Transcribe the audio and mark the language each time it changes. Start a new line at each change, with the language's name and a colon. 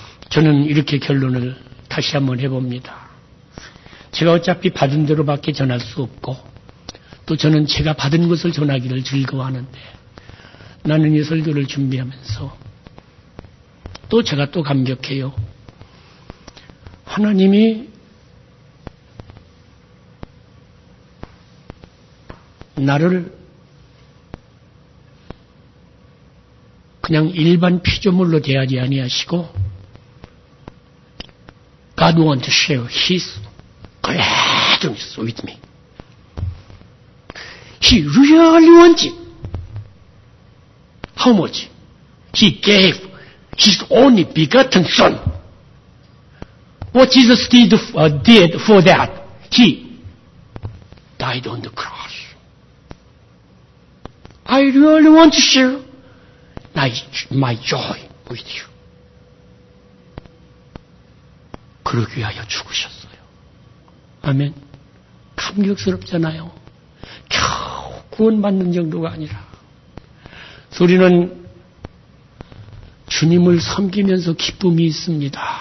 Korean: 저는 이렇게 결론을 다시 한번 해봅니다. 제가 어차피 받은 대로밖에 전할 수 없고 또 저는 제가 받은 것을 전하기를 즐거워하는데 나는 이 설교를 준비하면서 또 제가 또 감격해요. 하나님이 나를 그냥 일반 피조물로 대하지 아니하시고
English: God wants to share His gladness with me. He really wants it. How much? He gave His only begotten Son. What Jesus did for that? He died on the cross. I really want to share my joy with you.
Korean: 그러기 위하여 죽으셨어요. 아멘. 감격스럽잖아요. 겨우 구원받는 정도가 아니라 우리는 주님을 섬기면서 기쁨이 있습니다.